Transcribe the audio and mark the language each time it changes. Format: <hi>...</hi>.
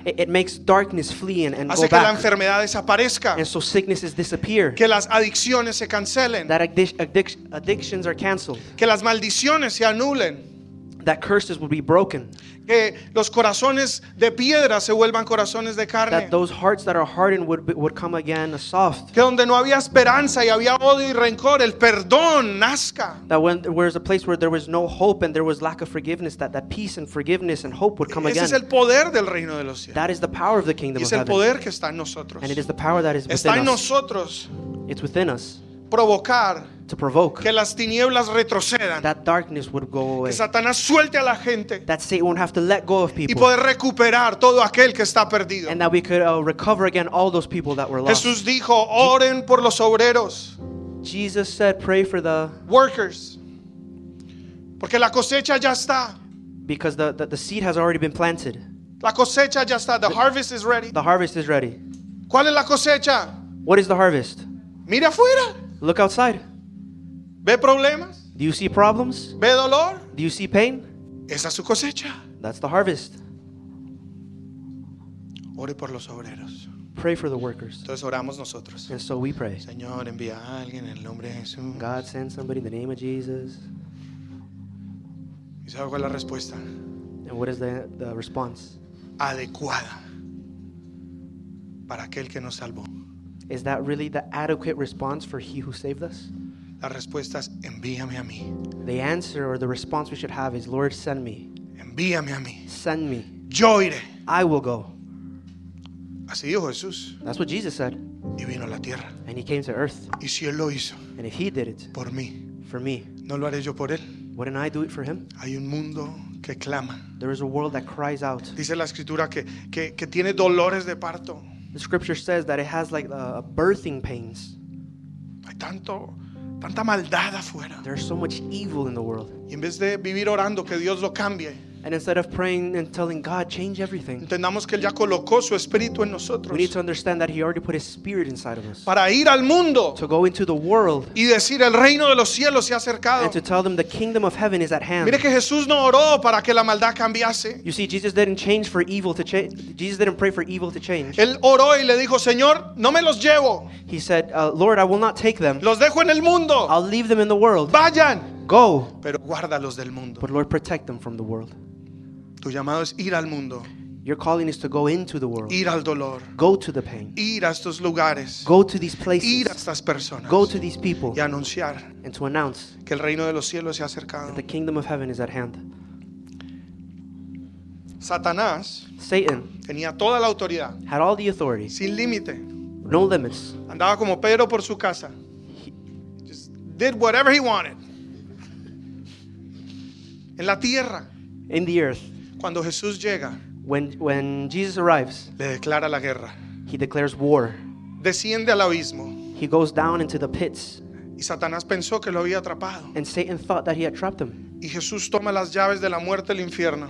<en>It makes darkness flee and</en> <es>hace</es> <en>go</en> <es>que</es> <en>back.</en> <es>La enfermedad desaparezca.</es> <en>And so sicknesses disappear.</en> <es>Que las adicciones se cancelen.</es> <en>That addiction are canceled.</en> <es>Que las maldiciones se anulen.</es> <en>That curses will be broken.</en> <es>Que los corazones de piedra se vuelvan corazones de carne.</es> <en>That those hearts that are hardened would come again soft.</en> <es>Que donde no había esperanza y había odio y rencor, el perdón nazca.</es> <en>That when there was a place where there was no hope and there was lack of forgiveness, that peace and forgiveness and hope would come again.</en> <es>Ese es el poder del reino de los cielos.</es> <en>That is the power of the kingdom of heaven.</en> <es>Es el poder que está en nosotros.</es> <en>And it is the power that is within</en> <es>está en Nosotros.</es> <en>It's within us.</en> <es>Provocar.</es> <en>To provoke</en> <es>que las tinieblas retrocedan,</es> <en>that darkness would go away,</en> <es>que Satanás suelte a la gente,</es> <en>that Satan won't have to let go of people,</en> <es>y poder recuperar todo aquel que está perdido,</es> <en>and that we could recover again all those people that were lost.</en> <es>Jesús dijo, oren por los obreros.</es> <en>Jesus said, pray for the workers,</en> <es>porque la cosecha ya está,</es> <en>because the seed has already been planted.</en> <es>La cosecha ya está.</es> <en>The harvest is ready. The harvest is ready.</en> <es>¿Cuál es la cosecha?</es> <en>What is the harvest?</en> <es>Mira afuera.</es> <en>Look outside.</en> <es>¿Ve problemas?</es> <en>Do you see problems?</en> <es>¿Ve dolor?</es> <en>Do you see pain?</en> <es>Esa es su cosecha.</es> <en>That's the harvest.</en> <es>Ore por los obreros.</es> <en>Pray for the workers.</en> <es>Entonces oramos nosotros.</es> <en>And so we pray.</en> <es>Señor, envía a alguien en el nombre de Jesús.</es> <en>God, send somebody in the name of Jesus.</en> <es>¿Y sabe cuál es la respuesta?</es> <en>And what is the response?</en> <es>Adecuada para aquel que nos salvó.</es> <en>Is that really the adequate response for he who saved us?</en> <es>La respuesta es, envíame a mí.</es> <en>The answer or the response we should have is, Lord, send me.</en> <es>Envíame a mí.</es> <en>Send me.</en> <es>Yo iré.</es> <en>I will go.</en> <es>Así dijo Jesús.</es> <en>That's what Jesus said.</en> <es>Y vino a la tierra.</es> <en>And he came to earth.</en> <es>Y si él lo hizo.</es> <en>And if he did it.</en> <es>Por mí.</es> <en>For me.</en> <es>No lo haré yo por él.</es> <en>Wouldn't I do it for him?</en> <es>Hay un mundo que clama.</es> <en>There is a world that cries out.</en> <es>Dice la escritura que tiene dolores de parto.</es> <en>The scripture says that it has like birthing pains.</en> <es>Hay tanto... tanta maldad afuera.</es> <en>There's so much evil in the world.</en> <es>Y en vez de vivir orando que Dios lo cambie.</es> <en>And instead of praying and telling God, change everything.</en> <es>Entendamos que él ya colocó su espíritu en nosotros.</es> <en>We need to understand that he already put his spirit inside of us.</en> <es>Para ir al mundo.</es> <en>To go into the world.</en> <es>Y decir el reino de los cielos se ha acercado.</es> <en>And to tell them the kingdom of heaven is at hand.</en> <es>Mire que Jesús no oró para que la maldad cambiase.</es> <en>You see, Jesus didn't pray for evil to change.</en> <es>Él oró y le dijo, Señor, no me los llevo.</es> <en>He said, Lord, I will not take them.</en> <es>Los dejo en el mundo.</es> <en>I'll leave them in the world.</en> <es>Vayan.</es> <en>Go.</en> <es>Pero guárdalos del mundo.</es> <en>But Lord, protect them from the world.</en> <es>Tu llamado es ir al mundo.</es> <en>Your calling is to go into the world.</en> <es>Ir al dolor.</es> <en>Go to the pain.</en> <es>Ir a estos lugares.</es> <en>Go to these places.</en> <es>Ir a estas personas.</es> <en>Go to these people.</en> <es>Y anunciar</es> <en>and to announce</en> <es>que el reino de los cielos se ha acercado.</es> <en>That the kingdom of heaven is at hand.</en> <es>Satanás,</es> <en>Satan,</en> <es>tenía toda la autoridad,</es> <en>had all the authority,</en> <es>sin límite,</es> <en>no limits.</en> <es>Andaba como Pedro por su casa.</es> <en>Just did whatever he wanted.</en> <es>En la tierra.</es> <en>In the earth.</en> <es>Cuando Jesús llega,</es> <en>when Jesus arrives,</en> <es>le declara la guerra.</es> <en>He declares war.</en> <es>Desciende al abismo.</es> <en>He goes down into the pits.</en> <es>Y Satanás pensó que lo había atrapado.</es> <en>And Satan thought that he had trapped him.</en> <es>Y Jesús toma las llaves de la muerte y el infierno.</es>